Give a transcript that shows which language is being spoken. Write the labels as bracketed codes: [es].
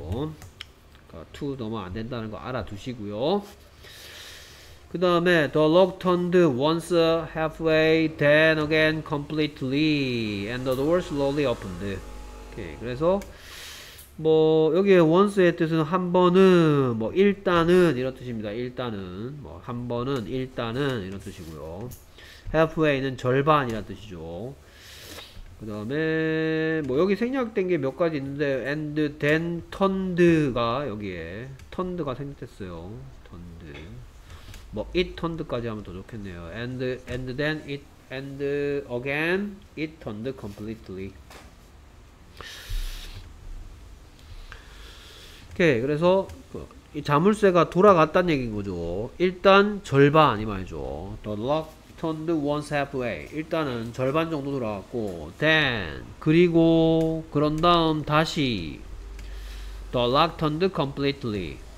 [ko] 그러니까 to 넣으면 안 된다는 거 알아두시고요. [en] 그 다음에 the lock turned once halfway then again completely and the door slowly opened. [ko] 오케이. 그래서 뭐 여기에 once의 뜻은 한 번은 뭐 일단은 이런 뜻입니다. 일단은 뭐 한 번은 일단은 이런 뜻이고요. halfway는 절반이라는 뜻이죠. 그 다음에 뭐 여기 생략된 게 몇 가지 있는데 [en] and then turned [ko] 가 여기에 turned가 생략됐어요. turned 뭐 it turned까지 하면 더 좋겠네요. [en] and then it and again it turned completely. [ko] 오케이. 그래서 이 자물쇠가 돌아갔다는 얘기인 거죠. 일단 절반 이 말이죠. [en] The lock turned once halfway. [ko] 일단은 절반 정도 돌아갔고 then 그리고 그런 다음 다시 [en] The lock turned completely.